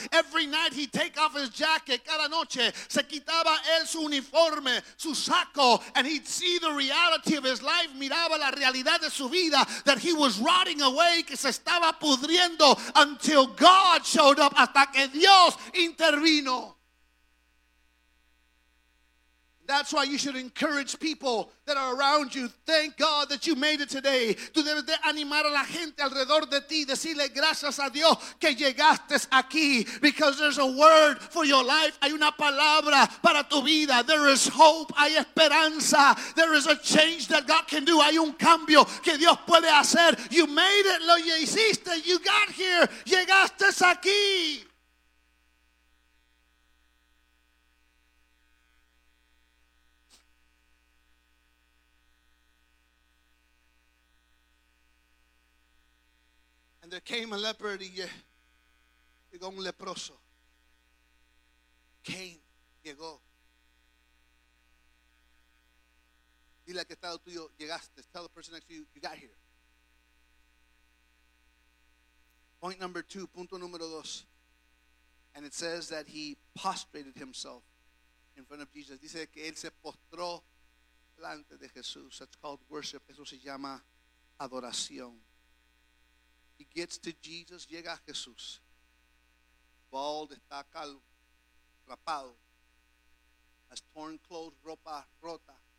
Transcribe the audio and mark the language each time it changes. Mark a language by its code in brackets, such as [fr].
[en] Every night he'd take off his jacket, [es] cada noche se quitaba él su uniforme, su saco, [en] and he'd see the reality of his life, [es] miraba la realidad de su vida, [en] that he was rotting away, [es] que se estaba pudriendo, [en] until God showed up, [es] hasta que Dios intervino. [en] That's why you should encourage people that are around you. Thank God that you made it today. [es] Tú debes de animar a la gente alrededor de ti. Decirle gracias a Dios que llegaste aquí. [en] Because there's a word for your life. [es] Hay una palabra para tu vida. [en] There is hope. [es] Hay esperanza. [en] There is a change that God can do. [es] Hay un cambio que Dios puede hacer. [en] You made it. [es] Lo hiciste. [en] You got here. [es] Llegaste aquí. [en] There came a leopard, [es] y llegó un leproso. Cain llegó. Dile a que estado tuyo, llegaste. [en] Tell the person next to you, you got here. Point number two, [es] punto número dos. [en] And it says that he prostrated himself in front of Jesus. [es] Dice que él se postró delante de Jesús. [en] That's called worship. [es] Eso se llama adoración. [en] He gets to Jesus, [es] llega a Jesús. [en] Bald, [es] está calvo, rapado. [en] Has torn clothes, [es] ropa rota.